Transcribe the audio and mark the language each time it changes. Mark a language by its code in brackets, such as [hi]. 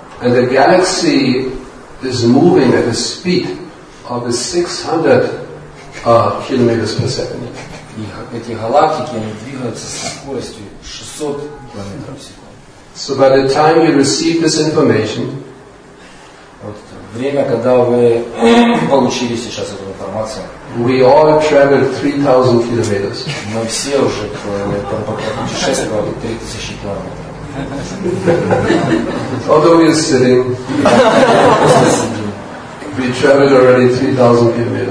[en] And the galaxy is moving at a speed of 600 kilometers per second. [ru] И эти галактики, они двигаются со скоростью 600 километров в секунду. [en] So by the time you receive this information, [ru] время, когда вы получили сейчас эту информацию. [en] We all traveled 3,000 kilometers. [ru] Мы все уже путешествовали 3,000 километров. [en] Although we are sitting, we traveled already 3,000 kilometers.